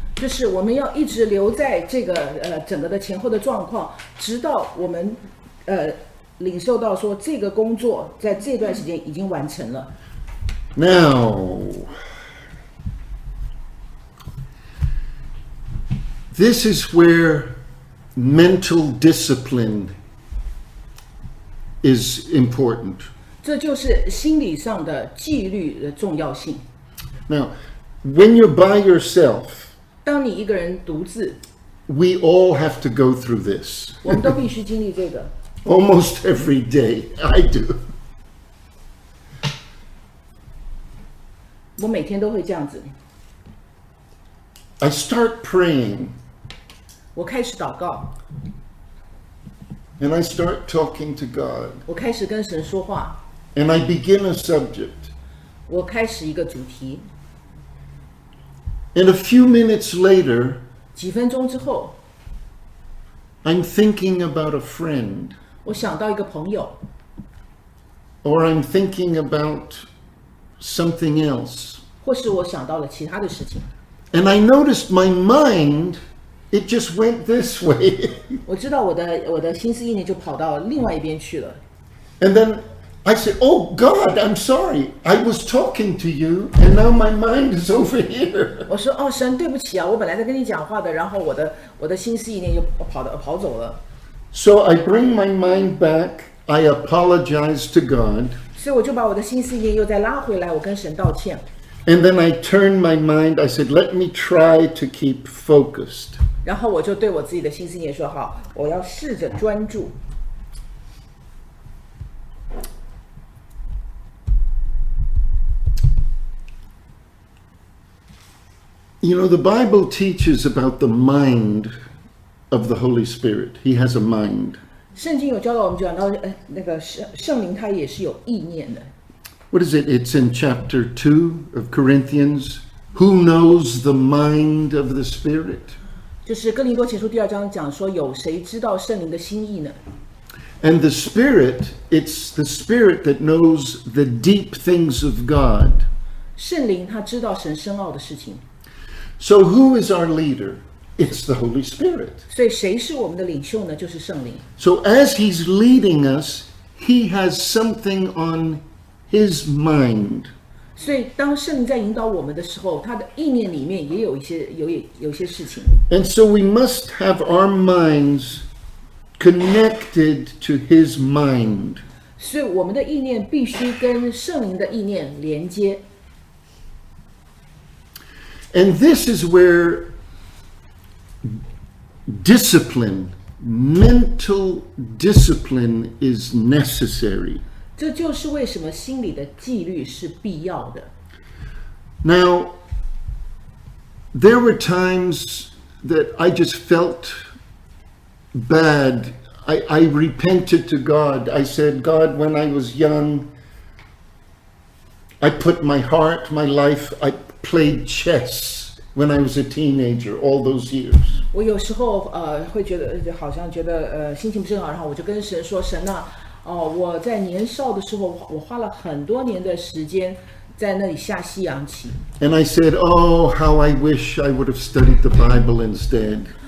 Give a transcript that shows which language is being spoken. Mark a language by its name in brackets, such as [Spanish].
[Chinese] 就是我们要一直留在这个整个的前后的状况，直到我们领受到说这个工作在这段时间已经完成了。 [English] Now, this is where mental discipline is important. [Chinese] 这就是心理上的纪律的重要性。 [English] Now, when you're by yourself. [Chinese] 当你一个人独自 [English] We all have to go through this. [Chinese] 我们都必须经历这个 [English] Almost every day, I do. [Chinese] 我每天都会这样子 [English] I start praying. [Chinese] 我开始祷告 [English] And I start talking to God. [Chinese] 我开始跟神说话 [English] And I begin a subject. [Chinese] 我开始一个主题 [English] And a few minutes later, [Chinese] 几分钟之后 [English] I'm thinking about a friend. [Chinese] 我想到一个朋友 [English] Or I'm thinking about something else. [Chinese] 或是我想到了其他的事情 [English] And I noticed my mind, it just went this way. [Chinese] 我知道我的心思意念就跑到另外一边去了 [English] And then I said, oh God, I'm sorry. I was talking to you, and now my mind is over here. [Chinese] 我说哦，神，对不起啊，我本来在跟你讲话的，然后我的心思意念就跑走了。 [English] So I bring my mind back. I apologize to God. [Chinese] 所以我就把我的心思意念又再拉回来，我跟神道歉。 [English] And then I turn my mind. I said, let me try to keep focused. [Chinese] 然后我就对我自己的心思意念说，好，我要试着专注。 [English] You know, the Bible teaches about the mind of the Holy Spirit. He has a mind. [Chinese] 圣经有教导我们讲到那个圣灵他也是有意念的。 [English] What is it? It's in chapter 2 of Corinthians. Who knows the mind of the Spirit? [Chinese] 就是哥林多前书第二章讲说，有谁知道圣灵的心意呢？ [English] And the Spirit, it's the Spirit that knows the deep things of God. [Chinese] 圣灵他知道神深奥的事情。 [English] So who is our leader? It's the Holy Spirit. [Chinese] 所以谁是我们的领袖呢？就是圣灵。 [English] So as he's leading us, he has something on his mind. [Chinese] 所以当圣灵在引导我们的时候，他的意念里面也有一些有些事情。 [English] And so we must have our minds. Connected to his mind. [Chinese] So, 我们的意念必须跟圣灵的意念连接。 [English] And this is where discipline, mental discipline is necessary. [Chinese] 这就是为什么心理的纪律是必要的。 [English] Now, there were times that I just felt bad. I repented to God. I said, God, when I was young, I put my heart, my life, I played chess when I was a teenager, all those years. [Chinese] 我有时候会觉得好像觉得心情不是很好，然后我就跟神说，神啊，我在年少的时候，我花了很多年的时间在那里下西洋棋。 [English] And I said, oh, how I wish I would have studied the Bible instead.